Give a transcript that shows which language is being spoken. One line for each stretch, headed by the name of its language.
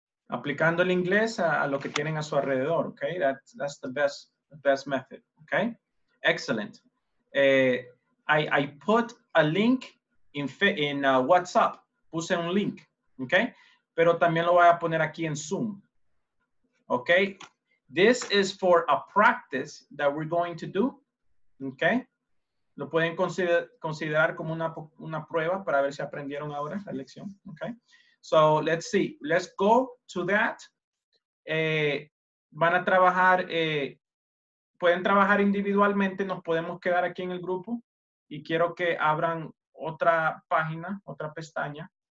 Spanish: Aplicando el inglés a lo que tienen a su alrededor, okay?
English: That's the best method, okay? Excellent. I put a link in WhatsApp,
Spanish: puse un link,
English: okay?
Spanish: Pero también lo voy a poner aquí en Zoom, okay?
English: This is for a practice that we're going to do, okay?
Spanish: Lo pueden considerar como una prueba para ver si aprendieron ahora la lección, okay?
English: So, let's see. Let's go to that.
Spanish: Van a trabajar, pueden trabajar individualmente, nos podemos quedar aquí en el grupo y quiero que abran otra página, otra pestaña.